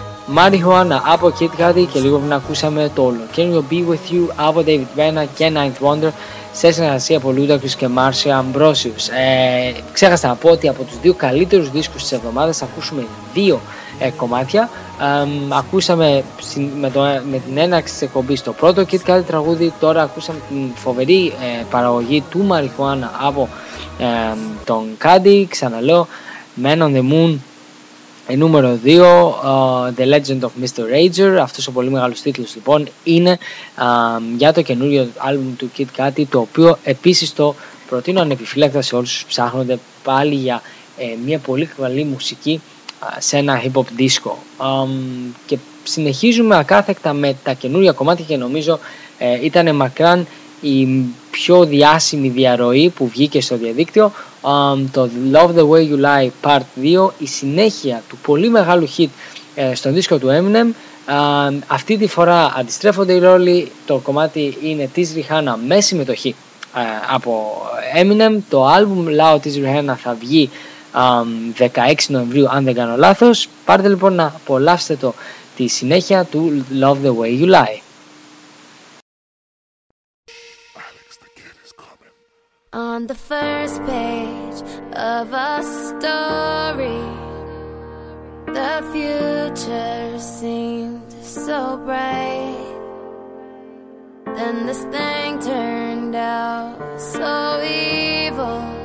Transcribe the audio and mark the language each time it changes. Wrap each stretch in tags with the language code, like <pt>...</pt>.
<el>Marijuana από Kid Cudi και λίγο πριν ακούσαμε το ολοκαίνιο Be With You από David Vena και Ninth Wonder σε συνεργασία από Ludacris και Marcia Ambrosius. Ξέχασα να πω ότι από τους δύο καλύτερους δίσκους της εβδομάδας ακούσουμε δύο κομμάτια. Ακούσαμε με την έναρξη της εκπομπής το πρώτο Kid Cudi τραγούδι, τώρα ακούσαμε την φοβερή παραγωγή του Marijuana από τον Cudi. Ξαναλέω, Man on the Moon. Νούμερο 2, The Legend of Mr. Rager, αυτός ο πολύ μεγάλος τίτλος λοιπόν, είναι για το καινούριο άλμπουμ του Kid Cudi, το οποίο επίσης το προτείνω ανεπιφύλακτα σε όλους τους ψάχνονται πάλι για μια πολύ καλή μουσική σε ένα hip-hop disco. Και συνεχίζουμε ακάθεκτα με τα καινούρια κομμάτια και νομίζω ήταν μακράν η πιο διάσημη διαρροή που βγήκε στο διαδίκτυο, το Love the Way You Lie Part 2, η συνέχεια του πολύ μεγάλου hit στον δίσκο του Eminem. Αυτή τη φορά αντιστρέφονται οι ρόλοι, το κομμάτι είναι της Rihanna με συμμετοχή από Eminem. Το album Loud της Rihanna θα βγει 16 Νοεμβρίου αν δεν κάνω λάθος. Πάρτε λοιπόν να απολαύσετε το, τη συνέχεια του Love the Way You Lie.</el> <en>On the first page of a story, the future seemed so bright. Then this thing turned out so evil.</en>